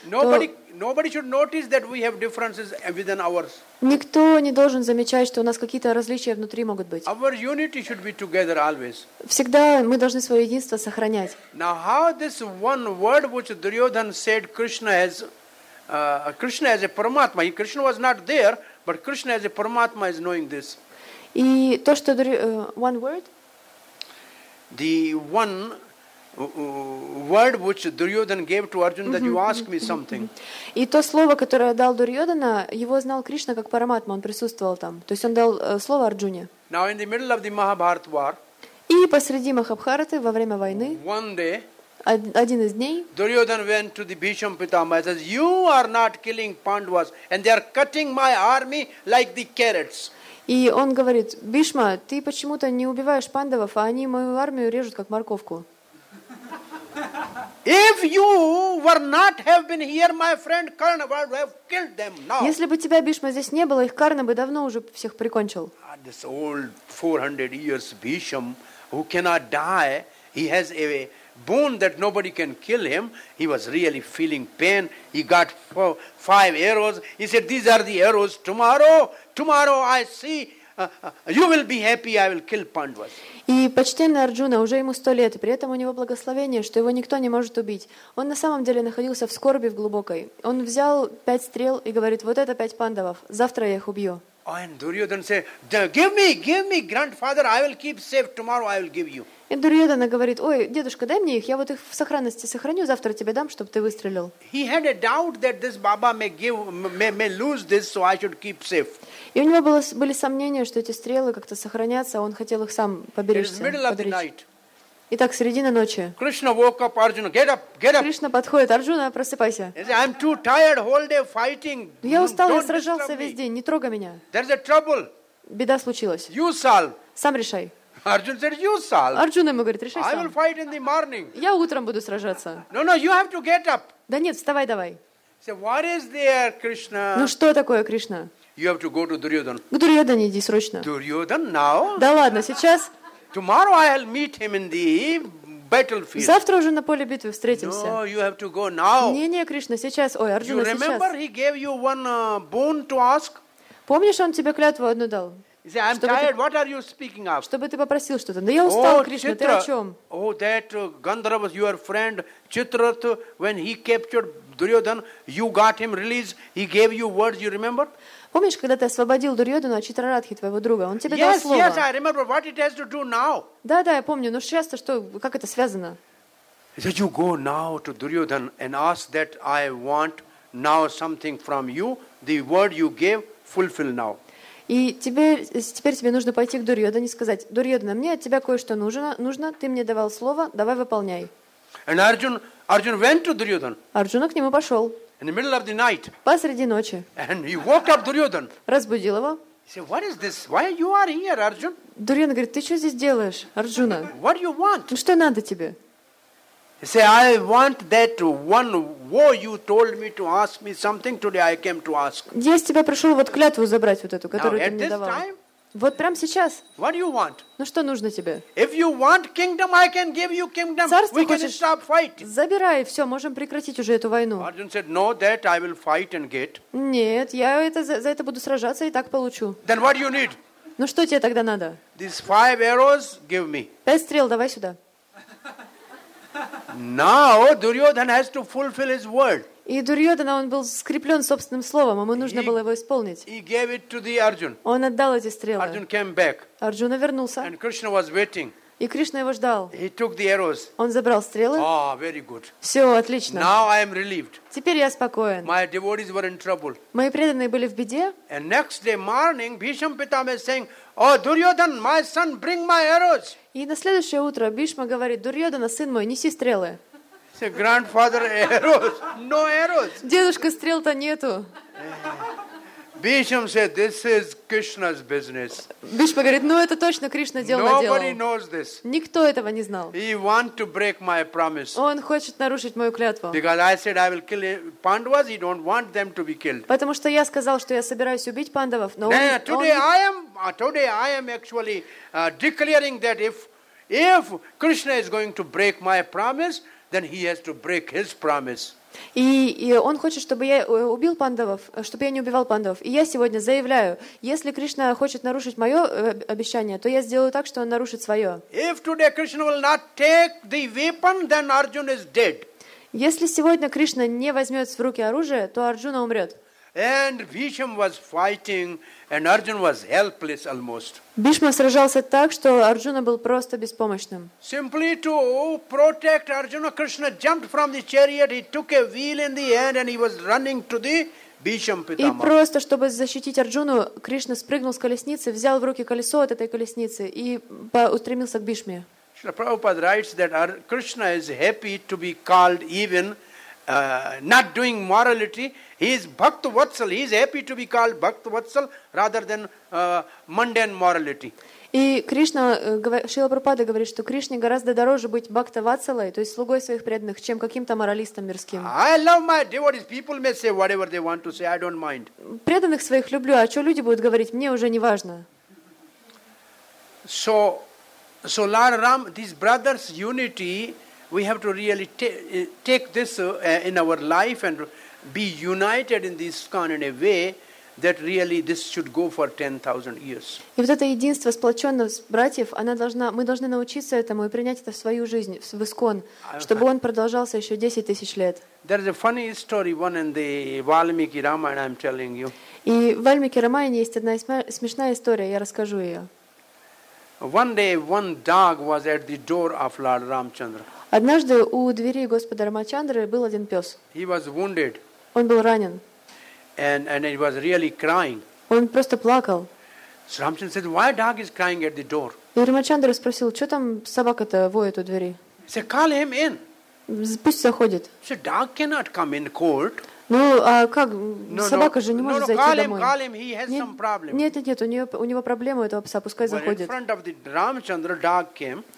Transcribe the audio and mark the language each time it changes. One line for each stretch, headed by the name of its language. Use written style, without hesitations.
English: nobody should notice that we have differences within ours.
Russian: Никто не должен замечать, что у нас какие-то различия внутри могут быть.
English: Our unity should be together always.
Russian: Всегда мы должны свое единство сохранять.
English: Now how this one word which Duryodhan said Krishna has. Krishna as a Paramatma. Krishna was not there, but Krishna as a Paramatma is knowing this.
Russian: И то, что
English: one word. The one word which Duryodhan gave to Arjuna that you ask me something.
Russian: И то слово, которое дал Дурьодана, его знал Кришна как Параматма, он присутствовал там. То есть он дал слово Арджуне.
English: Now in the middle of the Mahabharata war.
Russian: И посреди Махабхараты во время войны.
English: One day.
Russian: Один из дней.
English: Duryodhan went to the Bhisham Pitamah. Says, "You are not killing Pandavas, and they are cutting my army like the carrots."
Russian: И он говорит: Бишма, ты почему-то не убиваешь пандавов, а они мою армию режут как морковку.
English: If you were not have been here, my friend Karna would have killed them now.
Russian: Если бы тебя, Бишма, здесь не было, их Карна бы давно уже всех прикончил.
English: This old 400 years Bhisham, who cannot die, he has a bone that nobody can kill him. He was really feeling pain. He got five arrows. He said, "These are the arrows. Tomorrow I see you will be happy. I will kill Pandavas."
Russian: И почтенный Арджуна, уже ему 100 лет, при этом у него благословение, что его никто не может убить. Он на самом деле находился в скорби в глубокой. Он взял 5 стрел и говорит: "Вот это 5 пандавов. Завтра я их убью."
English: And Duryodhan said, "Give me, grandfather. I will keep safe. Tomorrow I will give you."
Russian: И Дурьодана говорит: "Ой, дедушка, дай мне их. Я вот их в сохранности сохраню. Завтра тебе дам, чтобы ты выстрелил."
English: He had a doubt that this Baba may lose this, so I should keep safe.
Russian: И у него были сомнения, что эти стрелы как-то сохранятся, а он хотел их сам поберечь.
English: It is middle of the night.
Russian: Итак, середина ночи.
English: Krishna woke up Arjuna. Get up.
Russian: Кришна подходит: "Арджуна, просыпайся."
English: I'm too tired whole day fighting.
Russian: Я устал, я сражался весь день. Не трогай меня.
English: There's a trouble.
Russian: Беда случилась.
English: You solve.
Russian: Сам решай.
English: Arjuna said, "You solve."
Russian: Арджуна ему говорит: "Решай сам."
English: I will fight in the morning.
Russian: Я утром буду сражаться.
English: No, you have to get up.
Russian: Да нет, вставай, давай.
English: So what is there, Krishna?
Russian: Ну что такое, Кришна?
English: You have to go to Duryodhan.
Russian: К Дурьодане иди срочно.
English: Duryodhan now?
Russian: Да ладно, сейчас.
English: Tomorrow I'll meet him in the battlefield.
Russian: Завтра уже на поле битвы встретимся.
English: No, you have to go now.
Russian: Не, Кришна, сейчас. Ой, Арджуна, сейчас.
English: You remember
Russian: сейчас.
English: He gave you one boon to ask?
Russian: Помнишь, он тебе клятву одну дал?
English: Say, I'm tired. What are you speaking of?
Russian: Чтобы ты попросил что-то. Да я устал, Кришна. Ты о чем?
English: Oh, that Gandharva, your friend Chitrath, when he captured Duryodhan, you got him released. He gave you words. You remember?
Russian: Помнишь, когда ты освободил Дурьодхану от Читрарадхи, твоего друга? Он тебе дал слово.
English: Yes, I remember what it has to do now.
Russian: Да, я помню. Но сейчас-то что, как это связано?
English: Did you go now to Duryodhan and ask that I want now something from you? The word you gave, fulfill now.
Russian: И теперь тебе нужно пойти к Дурьодхане и сказать: Дурьодхана, мне от тебя кое-что нужно, ты мне давал слово, давай выполняй.
English: And Arjuna went to Duryodhan.
Russian: Арджуна к нему пошел.
English: In the middle of the night.
Russian: Посреди ночи.
English: And he woke up Duryodhan.
Russian: Разбудил его.
English: He said, "What is this? Why you are here, Arjun?"
Russian: Дурьодхана говорит: "Ты что здесь делаешь, Арджуна?"
English: What do you want?
Russian: Что надо тебе?
English: He said, "I want that one war you told me to ask me something today. I came to ask."
Russian: Я с тебя пришел вот клятву забрать вот эту, которую ты мне давал. Вот прямо сейчас.
English: What do you want?
Russian: Ну что нужно тебе?
English: If you want kingdom, I can give you kingdom.
Russian: Царство
English: we
Russian: хочешь?
English: Can stop fighting.
Russian: Забирай, все, можем прекратить уже эту войну.
English: Arjuna said, "No, that I will fight and get."
Russian: Нет, я это за это буду сражаться и так получу.
English: Then what do you need?
Russian: Ну что тебе тогда надо?
English: These five arrows, give me.
Russian: 5 стрел, давай сюда.
English: Now Duryodhan has to fulfill his word.
Russian: И Дурьодхана, он был скреплен собственным словом, ему нужно было его исполнить.
English: He gave it to the Arjuna.
Russian: Он отдал эти стрелы.
English: Arjuna came back.
Russian: Арджуна вернулся.
English: And Krishna was waiting.
Russian: И Кришна его ждал.
English: He took the arrows.
Russian: Он забрал стрелы.
English: Oh, very good.
Russian: Все, отлично.
English: Now I am relieved.
Russian: Теперь я спокоен.
English: My devotees were in trouble.
Russian: Мои преданные были в беде.
English: And next day morning, Bhisham Pitama is saying, "Oh, Duryodhan, my son, bring my arrows."
Russian: И на следующее утро Бишма говорит: "Дурьодхана, сын мой, неси стрелы."
English: Say, "Grandfather, arrows? No arrows."
Russian: Дедушка, стрел-то нету.
English: Bhisham said, "This is Krishna's business."
Russian: Бишма говорит: "Ну это точно Кришна дело наделал."
English: Nobody knows this.
Russian: Никто этого не знал.
English: He want to break my promise.
Russian: Он хочет нарушить мою клятву.
English: Because I said I will kill Pandavas, he don't want them to be killed.
Russian: Потому что я сказал, что я собираюсь убить пандавов, но он.
English: Today I am actually declaring that if Krishna is going to break my promise, then he has to break his promise.
Russian: И он хочет, чтобы я убил пандавов, чтобы я не убивал пандавов. И я сегодня заявляю, если Кришна хочет нарушить мое обещание, то я сделаю так, что он нарушит свое.
English: If today Krishna will not take the weapon, then Arjuna is dead.
Russian: Если сегодня Кришна не возьмет в руки оружие, то Арджуна умрет.
English: And Bhishma was fighting, and Arjuna was helpless almost.
Russian: Bhishma сражался так, что Арджуна был просто беспомощным.
English: Simply to protect Arjuna, Krishna jumped from the chariot. He took a wheel in the hand, and he was running to the Bhisham Pitamah.
Russian: И просто чтобы защитить Арджуну, Кришна спрыгнул с колесницы, взял в руки колесо от этой колесницы и устремился к Бхишме.
English: Шрила Прабхупада writes that Krishna is happy to be called even not doing morality. He is Bhakta Vatsal. He is happy to be called Bhakta Vatsal rather than mundane morality.
Russian: И Кришна, Шрила Прабхупада говорит, что Кришне гораздо дороже быть Бхакта Ватсалой, то есть слугой своих преданных, чем каким-то моралистом мирским.
English: I love my devotees. People may say whatever they want to say. I don't mind.
Russian: Преданных своих люблю, а что люди будут говорить, мне уже не важно.
English: So Lord Ram, this brothers' unity, we have to really take this in our life and be united in this kind of a way that really this should go for 10,000 years.
Russian: И вот это единство сплоченность братьев, она должна, мы должны научиться этому и принять это в свою жизнь, в искон, чтобы он продолжался еще 10,000 лет.
English: There is a funny story one in the Valmiki Ramayana, I'm telling you.
Russian: И в Вальмике Рамаяне есть одна смешная история, я расскажу ее.
English: One day, one dog was at the door of Lord Ramchandra.
Russian: Однажды у двери господа Рамачандры был один пес.
English: He was wounded.
Russian: Он был ранен.
English: And he was really crying.
Russian: Он просто плакал.
English: So Ramchandra said, "Why dog is crying at the door?"
Russian: И Рамачандра спросил, что там собака-то воет у двери?
English: He said, "Call him in."
Russian: Пусть заходит. So dog cannot come in court. Ну, а как? Собака же не может зайти
English: call
Russian: домой.
English: Call him, he has some problem.
Russian: Нет, у него проблема, у этого пса, пускай заходит.
English: In front of the Ramachandra, dog came.